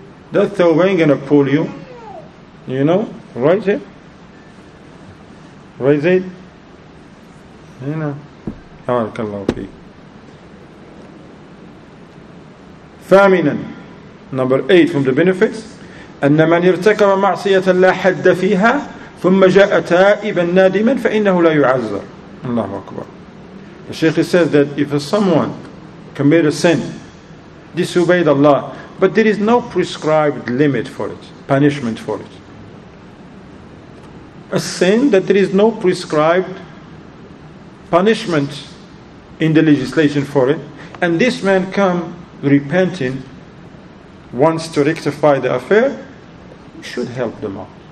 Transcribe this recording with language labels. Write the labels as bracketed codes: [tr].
[en] That thobe ain't going to pull you. You know? Right here? Right there? You know? Barakallahu fi. Famine, number 8 from the benefits. [ar] أن من ارتكب معصية لا حد فيها ثم جاء تائبا نادما فإنه لا يعذر. الله أكبر. [en] The Sheikh says that if someone committed a sin, disobeyed Allah, but there is no prescribed limit for it, punishment for it. A sin that there is no prescribed punishment in the legislation for it, and this man come repenting, wants to rectify the affair, we should help them out.